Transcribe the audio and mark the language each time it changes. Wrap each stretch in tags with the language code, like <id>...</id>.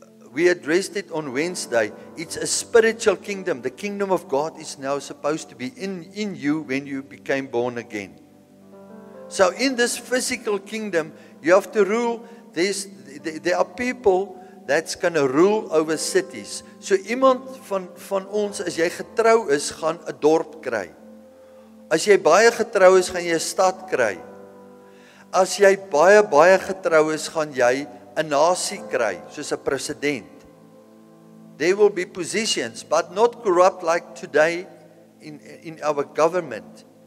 <en>We addressed it on Wednesday. It's a spiritual kingdom. The kingdom of God is now supposed to be in you when you became born again. So in this physical kingdom, you have to rule. There are people that's going to rule over cities.</en> <af>So iemand van ons, as jy getrou is, gaan 'n dorp kry. As jy baie getrou is, gaan jy 'n stad kry. As jy baie baie getrou is, gaan jy 'n nasie kry, soos 'n president.</af> <en>There will be positions, but not corrupt like today in our government.</en>